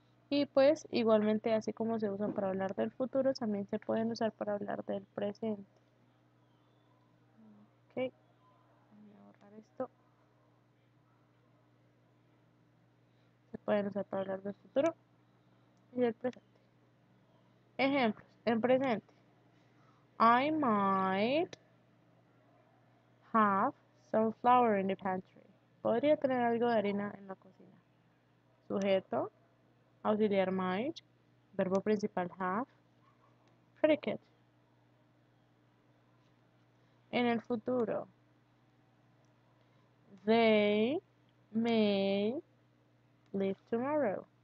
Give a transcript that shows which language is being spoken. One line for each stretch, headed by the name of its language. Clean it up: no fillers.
Spanish: Y pues, igualmente, así como se usan para hablar del futuro, también se pueden usar para hablar del presente. Se pueden usar para hablar del futuro y del presente. Ejemplos, en presente.
English: I might have some flour in the pantry.
Spanish: Podría tener algo de harina en la cocina. Sujeto, auxiliar might, verbo principal have, predicate. En el futuro,
English: they may leave tomorrow.